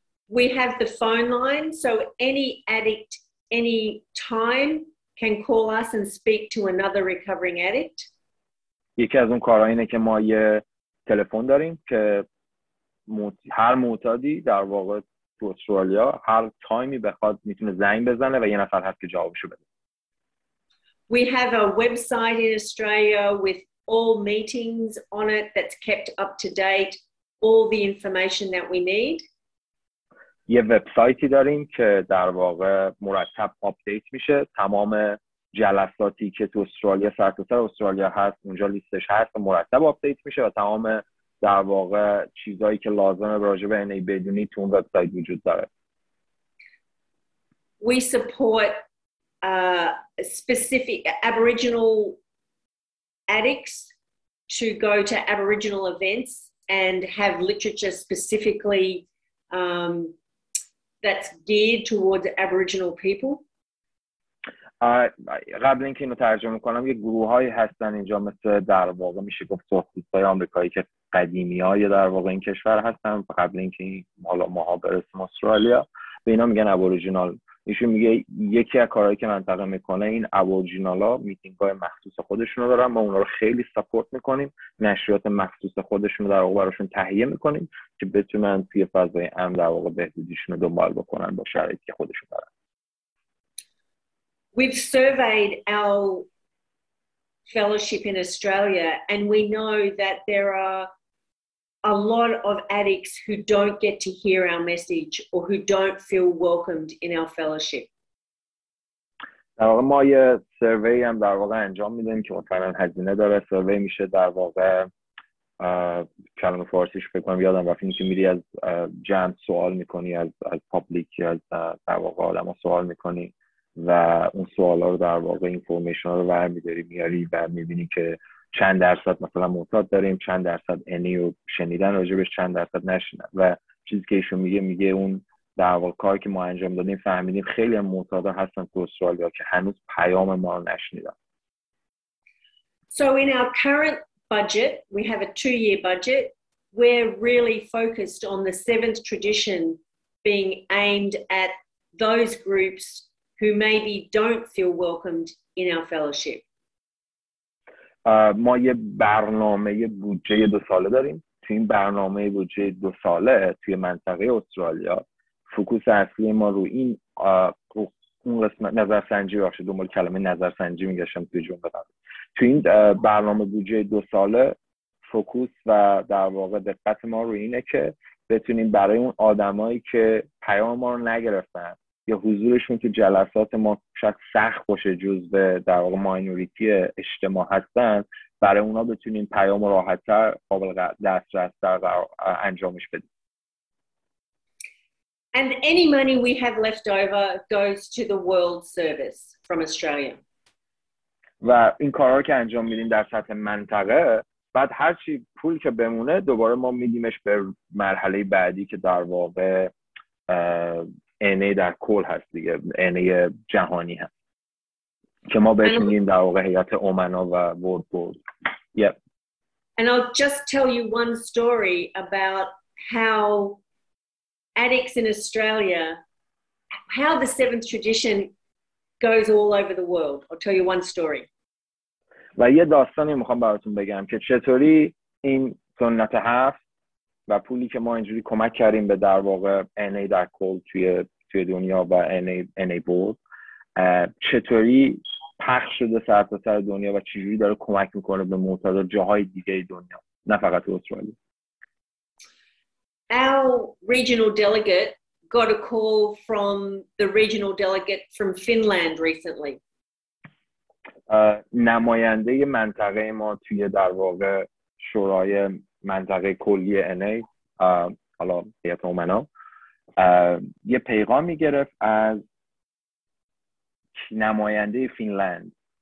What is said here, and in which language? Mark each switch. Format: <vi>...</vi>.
<en>We have the phone line, so any addict any time can call us and speak to another recovering addict.</en> <fa>یکی از اون کارها اینه که ما یه تلفن داریم که هر معتادی در واقع تو استرالیا هر تایمی بخواد میتونه زنگ بزنه و یه نفر هست که جوابشو بده.</fa> <en>We have a website in Australia with all meetings on it that's kept up to date, all the information that we need.</en> <fa>یه وبسایتی داریم که در واقع مرتب آپدیت میشه، تمام جلساتی که تو استرالیا سرتاسر استرالیا هست اونجا لیستش هست و مرتب آپدیت میشه و تمام در واقع چیزایی که لازمه راجع به NA بدونی تو اون وبسایت وجود داره.</fa> <en>We support specific Aboriginal addicts to go to Aboriginal events and have literature specifically that's geared towards Aboriginal people.</en> <fa>قبل اینکه اینو ترجمه کنم یه گروه‌هایی هستن اینجا مثل در واقع میشه گفت خصوصای آمریکایی که قدیمی‌ها یا در واقع این کشور هستن قبل اینکه حالا ماها برسیم استرالیا به اینا میگن Aboriginal. ایشون میگه یکی از کارهایی که منطقه میکنه این Aboriginal ها میتینگ های مخصوص خودشون رو دارن ما اونا رو خیلی سپورت میکنیم نشریات مخصوص خودشون رو در واقع براشون تهیه میکنیم که بتونن توی فضای امن در واقع بهبودیشون رو دنبال بکنن با شرایطی که خودشون دارن.</fa> <en>We've surveyed our fellowship in Australia and we know that there are a lot of addicts who don't get to hear our message or who don't feel welcomed in our fellowship.</en> <fa>در واقع ما یه سروی هم در واقع انجام میدیم که مثلا هزینه داره. سروی میشه در واقع کلمه فارسیش فکر کنم یادم رفت، اینکه میری از جمع سوال میکنی، از پابلیک، از در واقع آدم ها سوال میکنی و اون سوال ها رو در واقع اینفورمیشن ها رو برمیداری میاری و میبینی که چند درصد مثلا معتاد داریم، چند درصد اینی رو شنیدن راجبش، چند درصد نشنن. و چیزی که ایشون میگه، میگه اون در واقع کاری که ما انجام دادیم فهمیدیم خیلی هم معتاد هستن تو استرالیا که هنوز پیام ما رو نشنیدن.</fa> <en>So in our current budget, we have a two-year budget, we're really focused on the seventh tradition being aimed at those groups who maybe don't feel welcomed in our fellowship.</en> <fa>ما یه برنامه بودجه دو ساله داریم. توی این برنامه بودجه دو ساله توی منطقه استرالیا فوکوس اصلی ما رو این اون قسمت نظرسنجی باشه. دنبال کلمه نظرسنجی میگشم توی جمله قبل. توی این برنامه بودجه دو ساله فوکوس و در واقع دقت ما رو اینه که بتونیم برای اون آدمایی که پیام ما رو نگرفتن یا حضورشون تو جلسات ما شاید سخت باشه، جزء در واقع ماینوریتی اجتماع هستن، برای اونا بتونیم پیام راحت‌تر قابل دسترس‌تر انجامش بدیم.</fa> <en>And any money we have left over goes to the World Service from Australia.</en> <fa>و این کارا رو که انجام میدیم در سطح منطقه، بعد هر چی پول که بمونه دوباره ما میدیمش به مرحله بعدی که در واقع اینه در کل هست دیگه، اینه جهانی هست که ما بهش میگیم در واقع هیئت اومنا و ورد بورد.</fa> <en>Yep. And I'll just tell you one story about how addicts in Australia, how the seventh tradition goes all over the world. I'll tell you one story.</en> <fa>و یه داستانی میخوام براتون بگم که چطوری این سنت هفت و پولی که ما اینجوری کمک کردیم به در واقع NA در کل توی دنیا و NA بود، چطوری پخش شده سراسر دنیا و چجوری داره کمک میکنه به معتاد جاهای دیگه دنیا، نه فقط استرالیا.</fa> <en>Our regional delegate got a call from the regional delegate from Finland recently.</en> <fa>نماینده منطقه ما توی در واقع شورای منطقه کلی NA، حالا هیئت اومنا، یه پیغامی گرفت از نماینده فینلند.</fa>